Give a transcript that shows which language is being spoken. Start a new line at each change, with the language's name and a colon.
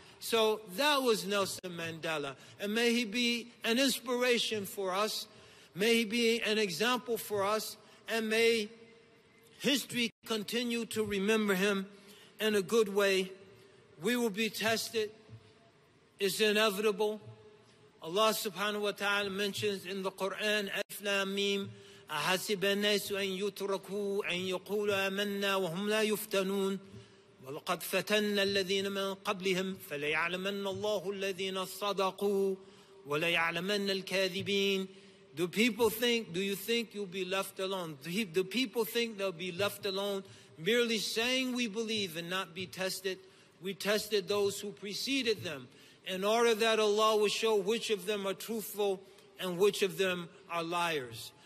English: So that was Nelson Mandela. And may he be an inspiration for us. May he be an example for us. And may history continue to remember him in a good way. We will be tested. It's inevitable. Allah subhanahu wa ta'ala mentions in the Quran, Alif Lam Mim,
Arabic: أَحَسِبَ النَّاسُ أَن يُتْرَكُوا أَن يَقُولُوا آمَنَّا وَهُمْ لَا يُفْتَنُونَ وَلَقَدْ فَتَنَّا الَّذِينَ مِن قَبْلِهِمْ فَلَيَعْلَمَنَّ اللَّهُ الَّذِينَ صَدَقُوا وَلَيَعْلَمَنَّ الْكَاذِبِينَ.
English: Do people think, do you think you'll be left alone? Do people think they'll be left alone merely saying we believe and not be tested? We tested those who preceded them in order that Allah will show which of them are truthful and which of them are liars.